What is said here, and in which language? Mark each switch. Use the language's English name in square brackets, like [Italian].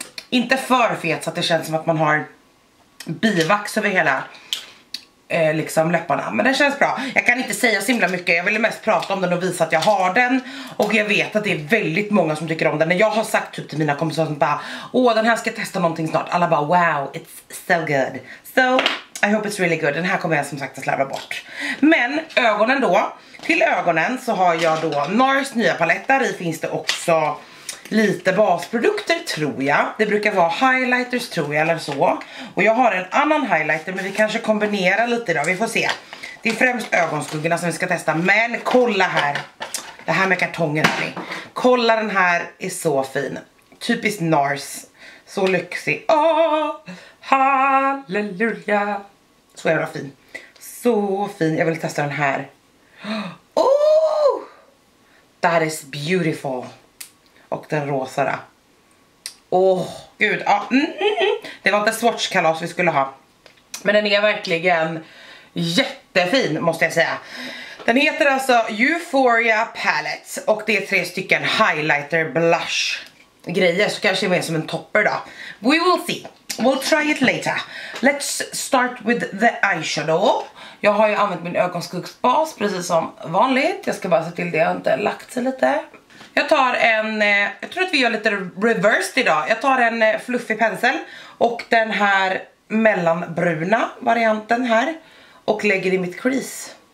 [Swedish] Inte för fet så att det känns som att man har bivax över hela liksom läpparna. Men den känns bra. Jag kan inte säga så himla mycket. Jag ville mest prata om den och visa att jag har den. Och jag vet att det är väldigt många som tycker om den. När jag har sagt typ till mina kompisar som bara, åh, den här ska jag testa någonting snart. Alla bara, [English] wow, it's so good. So, I hope it's really good. [Swedish] Den här kommer jag som sagt att slarva bort. Men ögonen då. Till ögonen så har jag då NARS nya paletter. I finns det också lite basprodukter tror jag. Det brukar vara highlighters tror jag eller så. Och jag har en annan highlighter men vi kanske kombinerar lite idag. Vi får se. Det är främst ögonskuggorna som vi ska testa. Men kolla här. Det här med kartongen. Kolla, den här är så fin. Typiskt NARS. Så lyxig. Åh, halleluja. Så jävla fin. Så fin. Jag vill testa den här. [English] Oh, that is beautiful. [Swedish] Och den rosa. Åh, oh, gud. Ah, det var inte swatch-kalas vi skulle ha. Men den är verkligen jättefin, måste jag säga. Den heter alltså Euphoria Palette. Och det är tre stycken highlighter blush grejer. Så kanske mer som en topper då. [English] We will see. We'll try it later. Let's start with the eyeshadow. [Swedish] Jag har ju använt min ögonskuggsbas precis som vanligt. Jag ska bara se till det jag inte lagt sig lite. Jag tar en, jag tror att vi gör lite reversed idag. Jag tar en fluffig pensel och den här mellanbruna varianten här och lägger i mitt crease.